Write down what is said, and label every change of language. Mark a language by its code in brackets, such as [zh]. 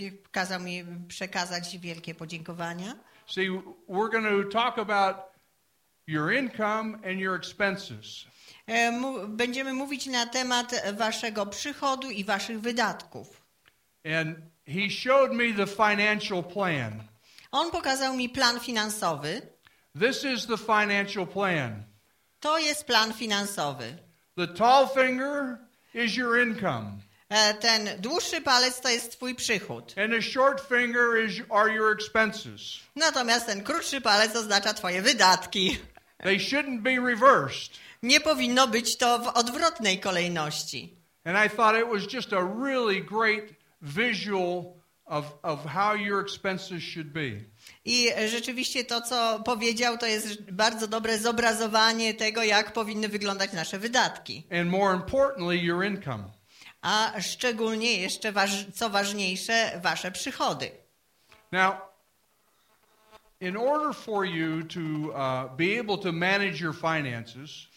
[pl] Kazał mi przekazać wielkie podziękowania. [en] See, we're going to talk about your income and your expenses. [pl] Będziemy mówić na temat waszego przychodu i waszych wydatków. [en] And he showed me the financial plan. [pl] On pokazał mi plan finansowy. [en] This is the financial plan. [pl] To jest plan finansowy. [en] The tall finger is your income. [pl] Ten dłuższy palec to jest twój przychód. [en] And a short finger is, are your expenses. [pl] Natomiast ten krótszy palec oznacza twoje wydatki. [en] They shouldn't be reversed. [pl] Nie powinno być to w odwrotnej kolejności. [en] And I thought it was just a really great visual of how your expenses should be. [pl] I rzeczywiście to, co powiedział, to jest bardzo dobre zobrazowanie tego, jak powinny wyglądać nasze wydatki. [en] And more importantly, your income. [pl] A szczególnie jeszcze, co ważniejsze, wasze przychody. [en] Now, in order for you to be able to manage your finances,